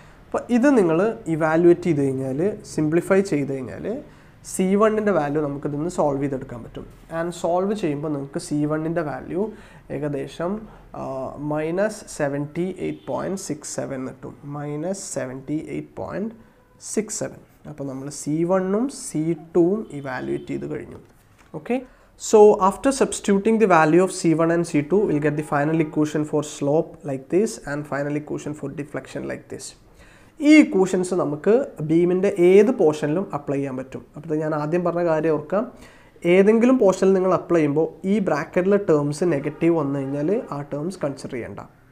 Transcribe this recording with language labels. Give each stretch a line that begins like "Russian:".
Malayalam: Appa idu ningal evaluate cheyidhaal, simplify cheyidhaal, C1 value നമുക്ക് ഇതൊന്ന് solve ചെയ്തെടുക്കാൻ പറ്റും. ആൻഡ് സോൾവ് ചെയ്യുമ്പോൾ നിങ്ങൾക്ക് C1 വാല്യൂ ഏകദേശം -78.67 കിട്ടും, -78.67. അപ്പോൾ നമ്മൾ C1 C2 ഇവാലുവേറ്റ് ചെയ്ത് കഴിഞ്ഞു. Okay,
English: So after substituting the value of C1 and C2, we'll get the final equation for slope like this and final equation for deflection like this.
Malayalam: ഈ equations നമുക്ക് ബീമിൻ്റെ ഏത് പോർഷനിലും apply ചെയ്യാൻ പറ്റും. അപ്പോൾ ഞാൻ ആദ്യം പറഞ്ഞ കാര്യം ഓർക്കാം, ഏതെങ്കിലും പോർഷനിൽ നിങ്ങൾ അപ്ലൈ ചെയ്യുമ്പോൾ ഈ ബ്രാക്കറ്റിലെ ടേംസ് നെഗറ്റീവ് വന്നു കഴിഞ്ഞാൽ ആ ടേംസ് കൺസിഡർ ചെയ്യണ്ട.